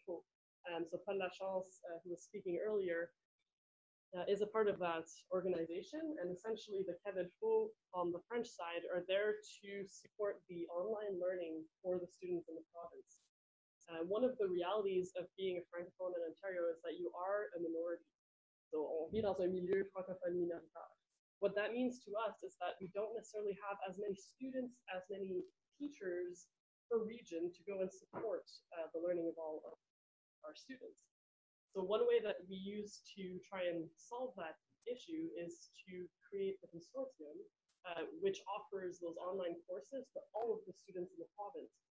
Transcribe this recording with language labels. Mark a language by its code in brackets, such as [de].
[en] So Pan La Chance, who was speaking earlier, is a part of that organization. And essentially the Québec on the French side are there to support the online learning for the students in the province. One of the realities of being a francophone in Ontario is that you are a minority. [fr] So on vit dans un milieu francophone minoritaire. [en] What that means to us is that we don't necessarily have as many students, as many teachers per region to go and support the learning of all of our students. So one way that we use to try and solve that issue is to create the consortium, which offers those online courses to all of the students in the province.